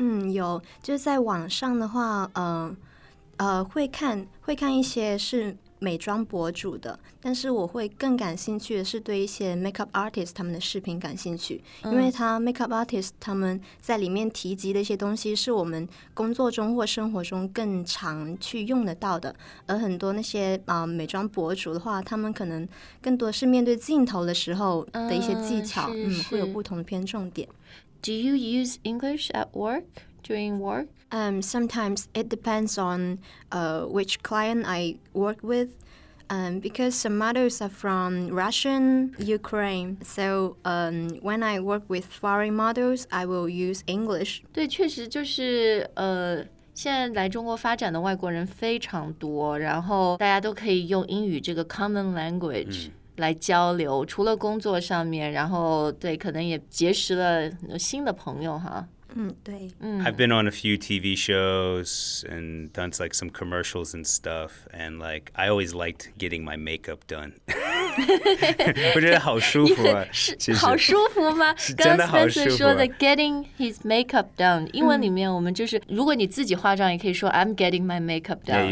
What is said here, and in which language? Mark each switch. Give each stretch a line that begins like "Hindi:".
Chinese: 有就是在网上的话会看一些是美妆博主的但是我会更感兴趣的是对一些 makeup artist 他们的视频感兴趣因为他 makeup artist 他们在里面提及的一些东西是我们工作中或生活中更常去用得到的而很多那些美妆博主的话他们可能更多是面对镜头的时候的一些技巧会有不同的偏重点
English: Do you use English at work? During work? Sometimes it depends on which client I work with because some models are from Russian, Ukraine. So when I work with foreign models, I will use English.
Chinese: 对确实就是现在来中国发展的外国人非常多然后大家都可以用英语这个
English: common language.
Chinese: 来交流除了工作上面然后对可能也结识了新的朋友哈。对。
English: I've been on a few TV shows and done like some commercials and stuff and like I always liked getting my makeup done.
Chinese: 我觉得好舒服啊。好舒服吗真的好舒服。说的
English: getting his makeup done,
Chinese: 英文里面我们就是如果你自己化妆也可以说
English: I'm getting my makeup done,